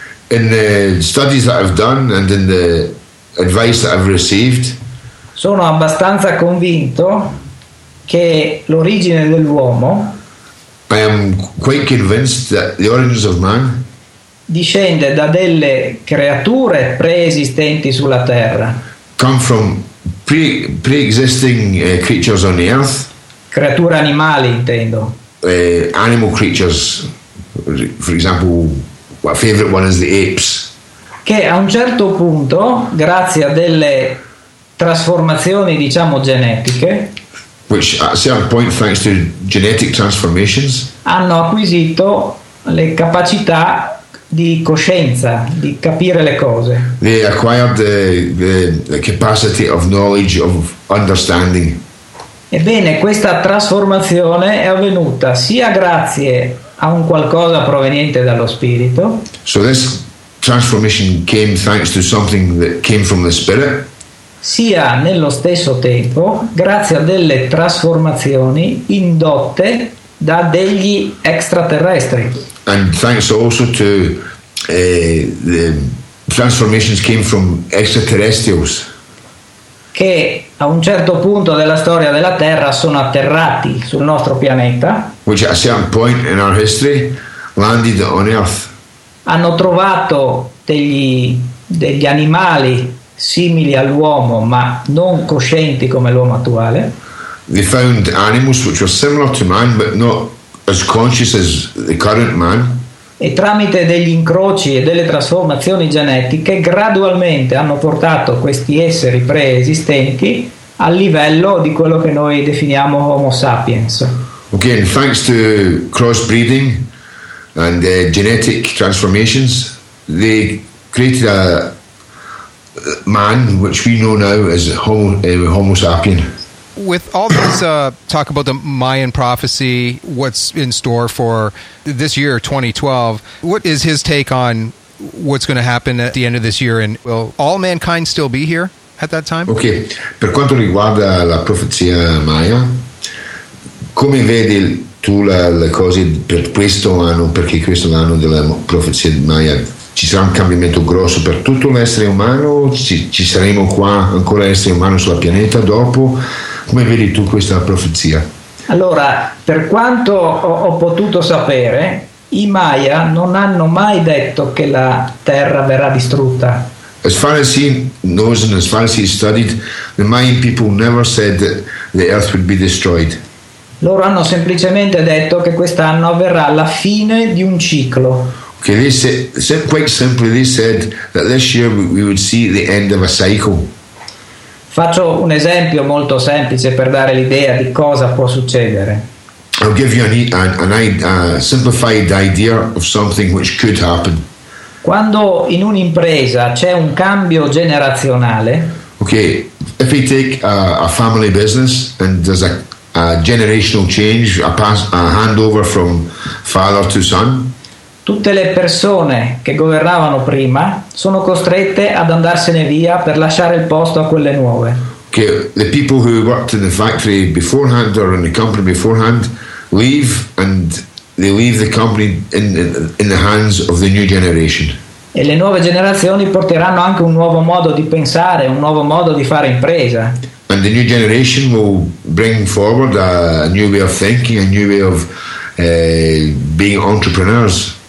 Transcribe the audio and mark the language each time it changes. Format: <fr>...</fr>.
<en>In the studies that I've done and in the advice that I've received.</en> <it>Sono abbastanza convinto che l'origine dell'uomo.</it> <en>I am quite convinced that the origins of man</en> <it>discende da delle creature preesistenti sulla terra.</it> <en>Come from pre-existing creatures on the earth.</en> <it>Creature animali, intendo.</it> <en>Animal creatures, for example, my favorite one is the apes.</en> <it>Che a un certo punto, grazie a delle trasformazioni, diciamo, genetiche.</it> <en>Which at a certain point, thanks to genetic transformations,</en> <it>hanno acquisito le capacità di coscienza, di capire le cose.</it> <en>They acquired the capacity of knowledge, of understanding.</en> <it>Ebbene, questa trasformazione è avvenuta sia grazie a un qualcosa proveniente dallo spirito.</it> <en>So this transformation came thanks to something that came from the spirit.</en> <it>Sia nello stesso tempo grazie a delle trasformazioni indotte da degli extraterrestri.</it> <en>And thanks also to the transformations came from extraterrestrials.</en> <it>Che a un certo punto della storia della Terra sono atterrati sul nostro pianeta.</it> <en>Which at a certain point in our history landed on Earth.</en> <it>Hanno trovato degli animali simili all'uomo ma non coscienti come l'uomo attuale.</it> <en>They found animals which were similar to man but not as conscious as the current man.</en> <it>E tramite degli incroci e delle trasformazioni genetiche gradualmente hanno portato questi esseri preesistenti al livello di quello che noi definiamo Homo sapiens.</it> <en>Ok, and thanks to crossbreeding and genetic transformations they created a man, which we know now as Homo sapiens. With all this talk about the Mayan prophecy, what's in store for this year, 2012, what is his take on what's going to happen at the end of this year, and will all mankind still be here at that time?</en> <it>Okay, per quanto riguarda la profezia Maya, come vedi tu le cose per questo anno, perché questo è l'anno della profezia Maya? Ci sarà un cambiamento grosso per tutto l'essere umano? Ci saremo qua ancora essere umano sulla pianeta dopo? Come vedi tu questa profezia? Allora, per quanto ho potuto sapere, i Maya non hanno mai detto che la Terra verrà distrutta.</it> <en>As far as he knows and as far as he studied, the Mayan people never said that the Earth would be destroyed.</en> <it>Loro hanno semplicemente detto che quest'anno avverrà la fine di un ciclo.</it> <en>Okay, they said quite simply, they said that this year we would see the end of a cycle.</en> <it>Faccio un esempio molto semplice per dare l'idea di cosa può succedere.</it> <en>I'll give you a simplified idea of something which could happen.</en> <it>Quando in un'impresa c'è un cambio generazionale.</it> <en>Okay, if you take a family business and there's a generational change, a handover from father to son.</en> <it>Tutte le persone che governavano prima sono costrette ad andarsene via per lasciare il posto a quelle nuove.</it> <en>Okay, the people who worked in the factory beforehand or in the company beforehand leave and they leave the company in the hands of the new generation.</en> <it>E le nuove generazioni porteranno anche un nuovo modo di pensare, un nuovo modo di fare impresa.</it> <en>And the new generation will bring forward a new way of thinking, a new way of being entrepreneurs.</en>